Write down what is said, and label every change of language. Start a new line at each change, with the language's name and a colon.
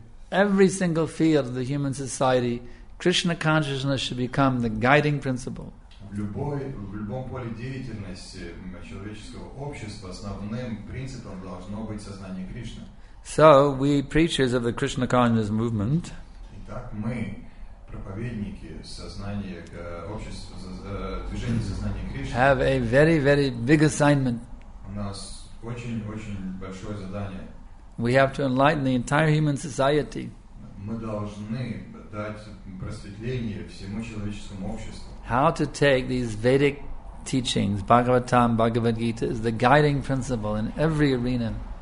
English: Every single field of the human society, Krishna consciousness should become the guiding principle.
Russian: В любом поле деятельности человеческого общества основным принципом должно быть сознание Кришны.
English: So we preachers of the Krishna consciousness movement.
Russian: Итак, мы проповедники сознания общества, движения сознания Кришны.
English: Have a very, very big assignment.
Russian: У нас очень-очень большое задание.
English: We have to enlighten the entire human society.
Russian: Мы должны дать просветление всему человеческому обществу.
English: How to take these Vedic teachings, Bhagavatam, Bhagavad Gita, as the guiding principle in every arena.